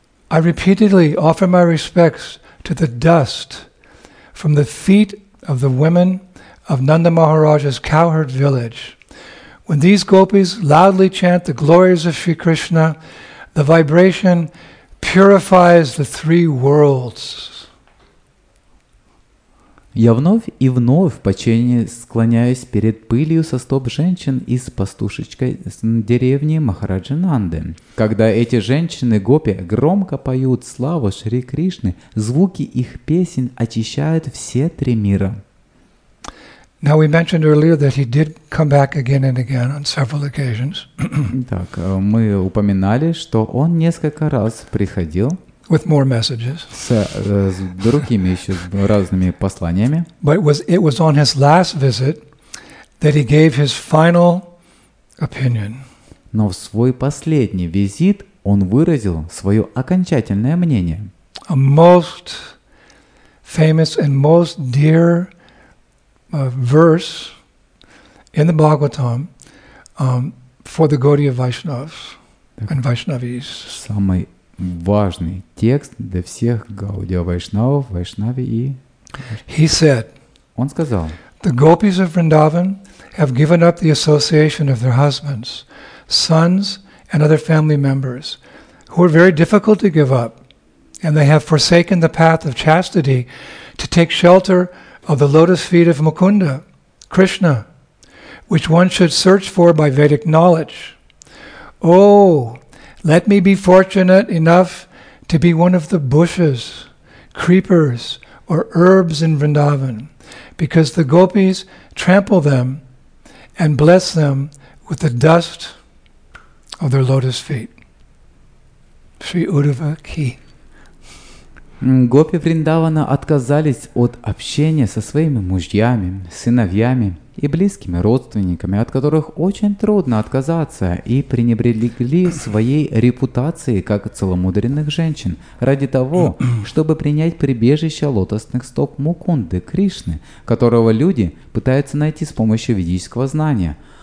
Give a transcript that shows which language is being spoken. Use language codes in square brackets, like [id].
[en] I repeatedly offer my respects to the dust from the feet of the women of Nanda Maharaja's cowherd village. When these gopis loudly chant the glories of Sri Krishna, the vibration purifies the three worlds. [ru] Я вновь и вновь в почтении склоняюсь перед пылью со стоп женщин из пастушечкой деревни Махараджананды. Когда эти женщины-гопи громко поют славу Шри Кришны, звуки их песен очищают все три мира. [en] Now we mentioned earlier that he did come back again and again on several occasions. [ru] Так, мы упоминали, что он несколько раз приходил. [en] With more messages. [ru] С другими еще разными посланиями. [en] But it was on his last visit that he gave his final opinion. [ru] Но в свой последний визит он выразил свое окончательное мнение. [en] A most famous and most dear verse in the Bhagavatam for the Gaudiya Vaishnavas and Vaishnavis. [ru] Самый важный текст для всех Гаудия Вайшнав, Вайшнави и. [en] He said. [ru] Он сказал. [en] The gopis of Vrindavan have given up the association of their husbands, sons, and other family members, who are very difficult to give up, and they have forsaken the path of chastity to take shelter of the lotus feet of Mukunda, Krishna, which one should search for by Vedic knowledge. Oh, let me be fortunate enough to be one of the bushes, creepers, or herbs in Vrindavan, because the gopis trample them and bless them with the dust of their lotus feet. Sri Uddhava ki. [ru] Гопи Вриндавана отказались от общения со своими мужьями, сыновьями и близкими родственниками, от которых очень трудно отказаться, и пренебрегли своей репутацией как целомудренных женщин ради того, чтобы принять прибежище лотосных стоп Мукунды Кришны, которого люди пытаются найти с помощью ведического знания.